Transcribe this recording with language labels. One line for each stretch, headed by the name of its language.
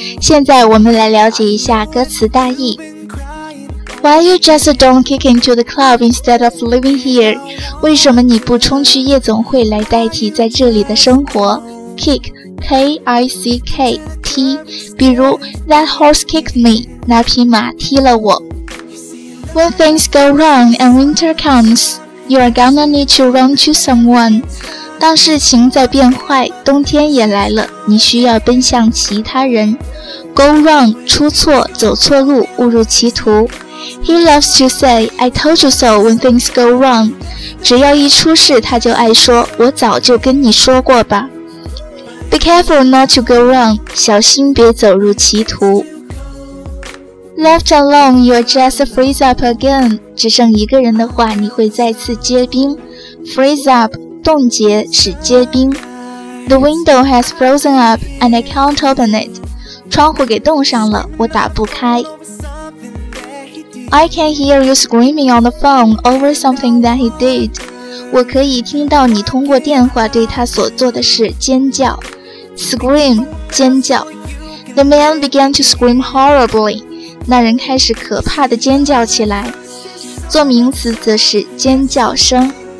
Chinese: 现在我们来了解一下歌词大意。
English: Why you just don't kick into the club instead of living here?
Chinese: 为什么你不冲去夜总会来代替在这里的生活？
English: Kick, K-I-C-K-T，
Chinese: 比如
English: That horse kicked me，
Chinese: 那匹马踢了我。
English: When things go wrong and winter comesYou are gonna need to run to someone.
Chinese: 当事情在变坏，冬天也来了，你需要奔向其他人。 Go wrong, 出错，走错路，误入歧途。
English: He loves to say, I told you so when things go wrong.
Chinese: 只要一出事，他就爱说，我早就跟你说过吧。
English: Be careful not to go wrong,
Chinese: 小心别走入歧途。
English: Left alone, you'll just freeze up again.
Chinese: 只剩一个人的话，你会再次结冰。 Freeze up, 冻结，使结冰。
English: The window has frozen up, and I can't open it.
Chinese: 窗户给冻上了，我打不开。
English: I can hear you screaming on the phone over something that he did.
Chinese: 我可以听到你通过电话对他所做的事尖叫。
English: Scream,
Chinese: 尖叫。
English: The man began to scream horribly.
Chinese: 那人开始可怕的尖叫起来，做名词则是尖叫声。